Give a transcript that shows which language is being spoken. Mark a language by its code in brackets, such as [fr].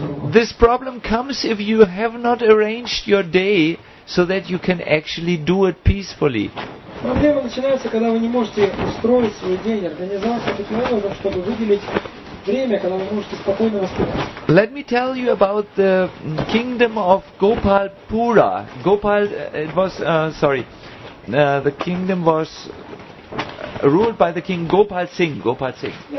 [en] This problem comes if you have not arranged your day so that you can actually do it peacefully. [ru] Проблема начинается, когда вы не можете устроить свой день, организовать таким образом, чтобы выделить время, когда вы можете спокойно воспринимать. [en] Let me tell you about the kingdom of Gopalpura. Gopal, it was, sorry, the kingdom was ruled by the king Gopal Singh. Gopal Singh.